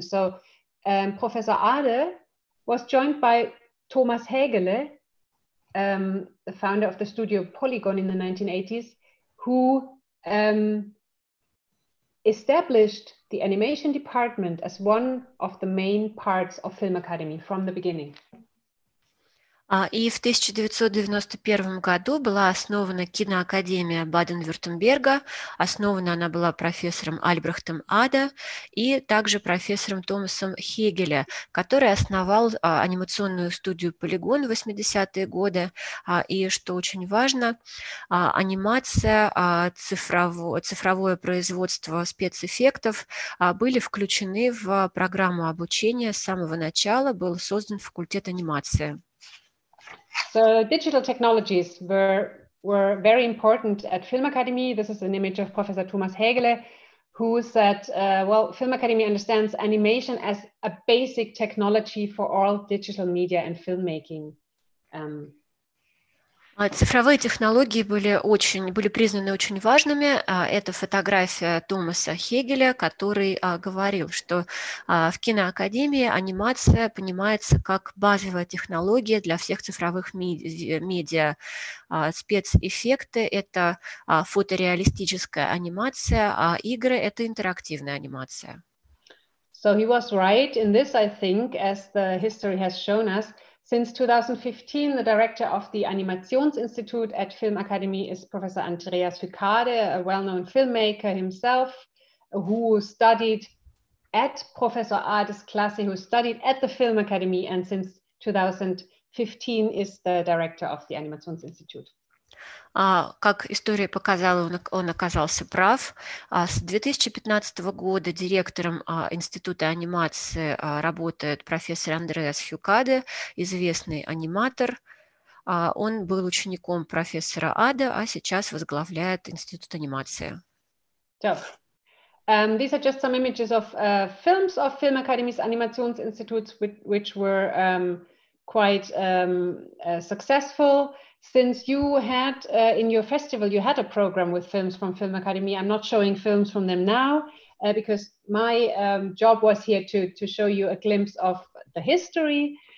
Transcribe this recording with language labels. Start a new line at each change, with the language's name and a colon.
English: So Professor Ade was joined by Thomas Hägele, the founder of the studio Polygon in the 1980s, who established the animation department as one of the main parts of Film Academy from the beginning.
Russian: И в 1991 году была основана киноакадемия Баден-Вюртемберга. Основана она была профессором Альбрехтом Ада и также профессором Томасом Хегеле, который основал анимационную студию «Полигон» в 80-е годы. И что очень важно, анимация, цифровое производство спецэффектов были включены в программу обучения с самого начала, был создан факультет анимации.
English: So digital technologies were very important at Film Academy. This is an image of Professor Thomas Hägele, who said, well, Film Academy understands animation as a basic technology for all digital media and filmmaking.
Russian: Цифровые технологии были признаны очень важными. Это фотография Томаса Хегеля, который говорил, что в киноакадемии анимация понимается как базовая технология для всех цифровых медиа. Спецэффекты – это фотореалистическая анимация, а игры – это интерактивная анимация.
English: So he was right in this, I think, as the history has shown us. Since 2015, the director of the Animationsinstitut at Film Academy is Professor Andreas Ficade, a well-known filmmaker himself, who studied at Professor Ades Klasse, who studied at the Film Academy, and since 2015 is the director of the Animationsinstitut.
Russian: Как история показала, он оказался прав. С 2015 года директором Института анимации работает профессор Андреас Фюкаде, известный аниматор. Он был учеником профессора Ада, а сейчас возглавляет Институт анимации.
English: So, these are just some images of films of Film Academy's Animationsinstituts, which were quite successful. Since you had in your festival, you had a program with films from Film Academy. I'm not showing films from them now because my job was here to show you a glimpse of the history.